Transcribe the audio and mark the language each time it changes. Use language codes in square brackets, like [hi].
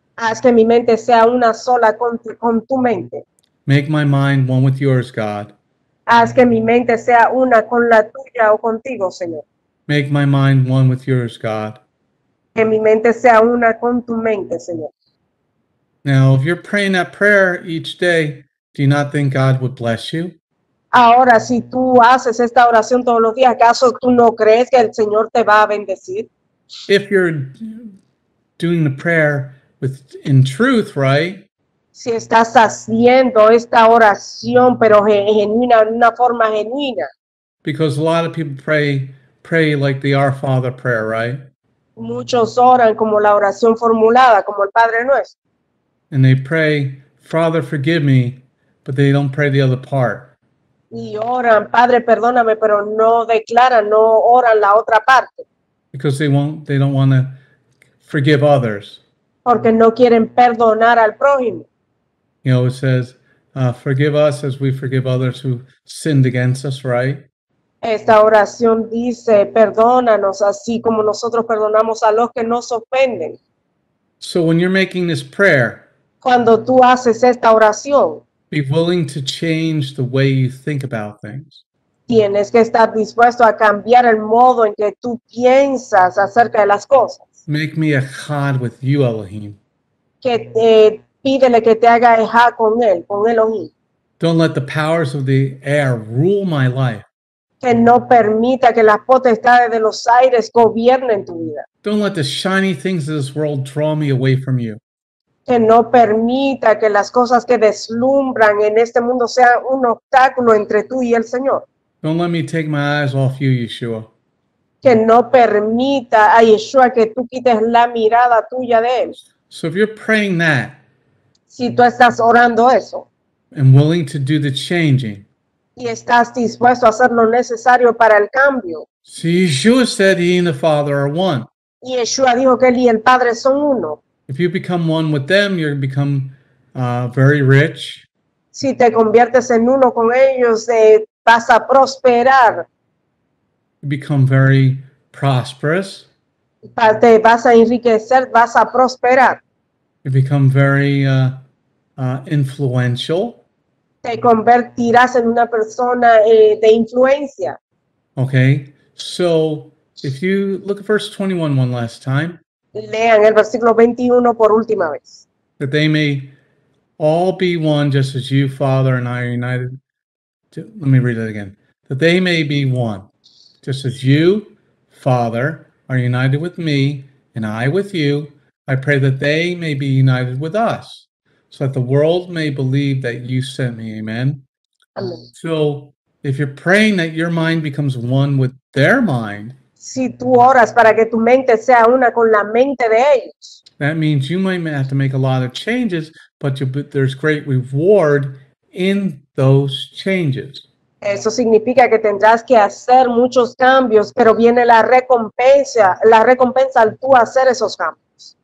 [es] Haz que mi mente sea una sola con tu mente. [en] Make my mind one with yours, God. [es] Haz que mi mente sea una con la tuya o contigo, Señor. [en] Make my mind one with yours, God. [es] Que mi mente sea una con tu mente, Señor. [en] Now, if you're praying that prayer each day, do you not think God would bless you? [es] Ahora, si tú haces esta oración todos los días, ¿acaso tú no crees que el Señor te va a bendecir? [en] If you're doing the prayer with in truth, right? [es] Si estás haciendo esta oración, pero genuina, en una forma genuina. [en] Because a lot of people pray like the Our Father prayer, right? [es] Muchos oran como la oración formulada, como el Padre Nuestro. [en] And they pray, Father, forgive me, but they don't pray the other part. [es] Y oran, Padre, perdóname, pero no declaran, no oran la otra parte. [en] Because they don't want to forgive others. [es] Porque no quieren perdonar al prójimo. [en] You know, it says, forgive us as we forgive others who sinned against us, right? [es] Esta oración dice, perdónanos así como nosotros perdonamos a los que nos ofenden. [en] So when you're making this prayer, [es] cuando tú haces esta oración, [en] be willing to change the way you think about things. [es] Tienes que estar dispuesto a cambiar el modo en que tú piensas acerca de las cosas. [en] Make me a chad with you, Elohim. [es] Que te pídele que te haga ejá con él, con Elohim. [en] Don't let the powers of the air rule my life. [es] Que no permita que las potestades de los aires gobiernen tu vida. [en] Don't let the shiny things of this world draw me away from you. [es] Que no permita que las cosas que deslumbran en este mundo sean un obstáculo entre tú y el Señor. [en] Don't let me take my eyes off you, Yeshua. [es] Que no permita a Yeshua que tú quites la mirada tuya de él. [en] So if you're praying that, [es] si tú estás orando eso, [en] and willing to do the changing, [es] y estás dispuesto a hacer lo necesario para el cambio. [en] See, Yeshua said he and the Father are one. [es] Y Yeshua dijo que él y el Padre son uno. [en] If you become one with them, you become very rich. [es] Si te conviertes en uno con ellos, vas a prosperar. [en] You become very prosperous. [es] Te vas a enriquecer, vas a prosperar. [en] You become very influential. [es] Te convertirás en una persona de influencia. [en] Okay, so if you look at verse 21 one last time. [es] Lean el versículo 21 por última vez. [en] That they may all be one just as you, Father, and I are united. Let me read it again. That they may be one just as you, Father, are united with me and I with you. I pray that they may be united with us, so that the world may believe that you sent me. Amen. Amen. So, if you're praying that your mind becomes one with their mind, [es] si tú oras para que tu mente sea una con la mente de ellos, [en] that means you might have to make a lot of changes, but there's great reward in those changes. [es] Eso significa que tendrás que hacer muchos cambios, pero viene la recompensa al tú hacer esos cambios.